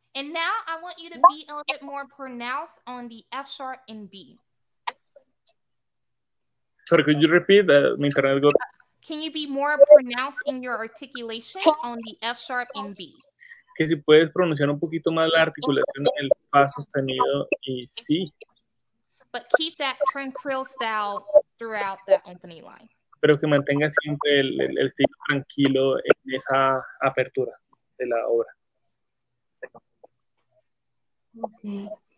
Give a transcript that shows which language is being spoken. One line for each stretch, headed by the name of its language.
English: And now I want you to be a little bit more pronounced on the F sharp and B. Sorry, could you repeat that? My internet goes. Can you be more pronounced in your articulation on the F sharp and B?
Spanish: Que si puedes pronunciar un poquito más la articulación en el fa sostenido y sí.
English: But keep that tranquil style throughout that opening line.
Spanish: Pero que mantenga siempre el estilo tranquilo en esa apertura de la obra.